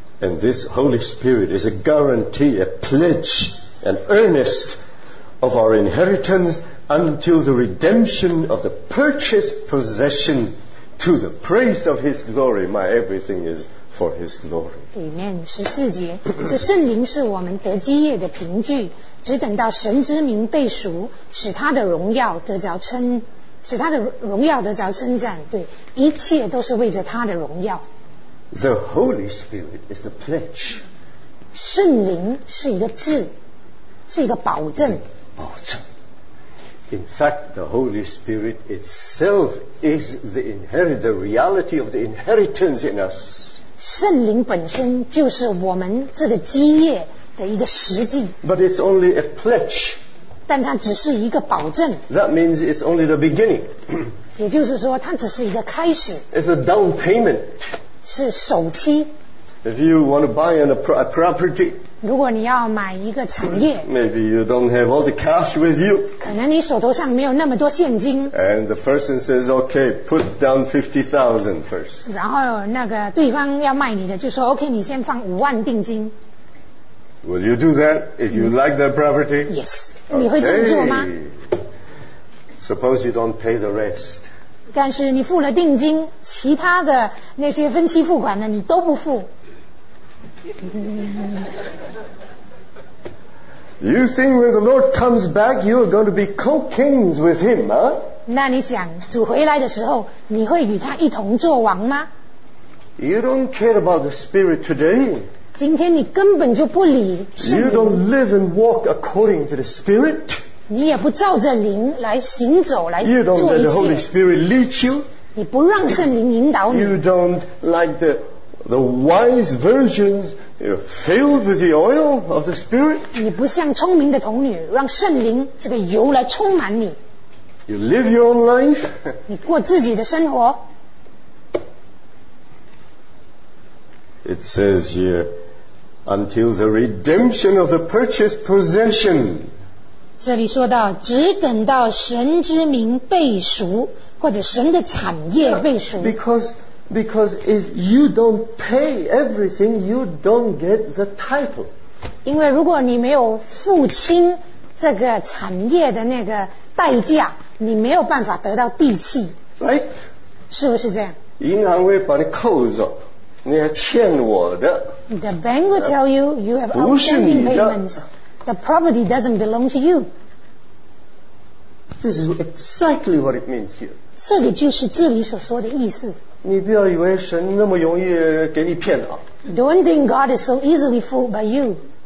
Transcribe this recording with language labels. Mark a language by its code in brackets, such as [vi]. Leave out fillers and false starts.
[en] And this Holy Spirit is a guarantee, a pledge, an earnest of our inheritance, until the redemption of the purchased possession to the praise of His glory. My everything is for His glory. Amen. [zh] 14节, 这圣灵是我们得基业的凭据, 只等到神之名被赎, 使他的荣耀得着称, 使他的荣耀得着称赞, 对, 一切都是为着他的荣耀。 [en] The Holy Spirit is the pledge. [zh] 圣灵是一个字, 是一个保证。保证。 [en] In fact, the Holy Spirit itself is the reality of the inheritance in us. [zh] 圣灵本身就是我们这个基业的一个实际。 [en] But it's only a pledge. [zh] 但它只是一个保证。 [en] That means it's only the beginning. [zh] 也就是说，它只是一个开始。 [en] It's a down payment. [zh] 是首期。 [en] If you want to buy a property, [zh] 如果你要买一个产业， [en] maybe you don't have all the cash with you. [zh] 可能你手头上没有那么多现金。 [en] And the person says, okay, put down 50,000 first. [zh] 然后那个对方要卖你的就说 ，OK， 你先放50,000定金。 [en] Will you do that if you like that property? Yes. [zh] 你会这么做吗？ [en] Suppose you don't pay the rest. [zh] 但是你付了定金，其他的那些分期付款的你都不付。 [en] You think when the Lord comes back, you are going to be co-kings with him, huh? [zh] 那你想，主回来的时候，你会与他一同作王吗？ [en] You don't care about the Spirit today. [zh] 今天你根本就不理。 [en] You don't live and walk according to the Spirit. [zh] 你也不照着灵来行走来做一切。 [en] You don't let the Holy Spirit lead you. [zh] 你不让圣灵引导你。 [en] You don't like the wise virgins. You're filled with the oil of the Spirit. [zh] 你不像聪明的童女，让圣灵这个油来充满你。 [en] You live your own life. [zh] 你过自己的生活。 [en] It says here, until the redemption of the purchased possession. [zh] 这里说到，只等到神之名被赎，或者神的产业被赎。 [en] Because if you don't pay everything, you don't get the title. [zh] 因为如果你没有付清这个产业的那个代价，你没有办法得到地契。 [en] Right? [zh] 是不是这样？银行会把你扣走。你还欠我的。 [en] The bank will tell you you have outstanding payments. The property doesn't belong to you. This is exactly what it means here. [zh] 这个就是这里所说的意思。你不要以为神那么容易给你骗啊。 [en] Don't think God is so easily fooled by you.